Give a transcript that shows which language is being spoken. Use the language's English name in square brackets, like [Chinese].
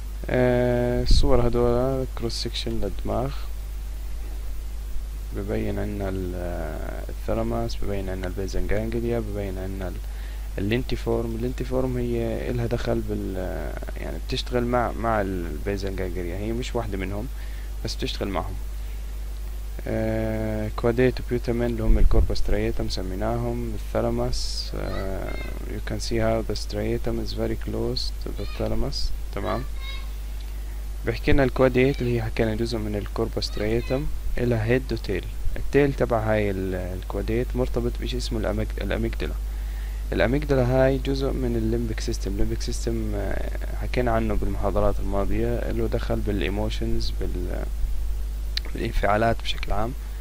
[Arabic] الصور هدول كروس سكشن للدماغ، ببين عنا الثرموس، ببين عنا البيزال جانجليا، ببين عنا اللينتيفورم. اللينتيفورم هي إلها دخل بال يعني بتشتغل مع البيزال جانجليا، هي مش واحدة منهم بس بتشتغل معهم. كواديت وبيوتامين اللي هم الكوربس ترياتم سميناهم. [English] الثالاموس you can see how the striatum is very close to the thalamus. [Arabic] تمام. بحكي لنا الكواديت اللي هي حكينا جزء من الكوربس ترياتم، لها هيد وتيل. التيل تبع هاي الكواديت مرتبط بشيء اسمه الاميجدلا. الاميجدلا هاي جزء من الليمبك سيستم. الليمبك سيستم حكينا عنه بالمحاضرات الماضية، له دخل بالايموشنز الانفعالات بشكل عام.